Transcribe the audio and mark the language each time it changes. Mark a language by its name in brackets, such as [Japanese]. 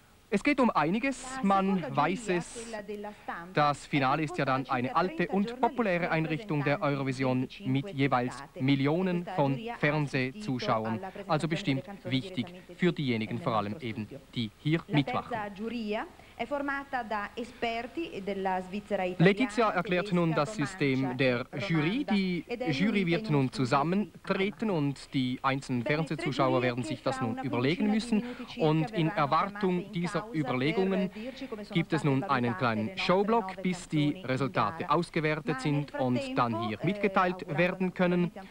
[German] Es geht um einiges, man weiß es. Das Finale ist ja dann eine alte und populäre Einrichtung der Eurovision mit jeweils Millionen von Fernsehzuschauern. Also bestimmt wichtig für diejenigen, vor allem eben, die hier mitmachen. [Italian] È formata da esperti della Svizzera italiana. [German] Letizia erklärt nun das System der Jury. Die Jury wird nun zusammentreten und die einzelnen Fernsehzuschauer werden sich das nun überlegen müssen. Und in Erwartung dieser Überlegungen gibt es nun einen kleinen Showblock, bis die Resultate ausgewertet sind und dann hier mitgeteilt werden können.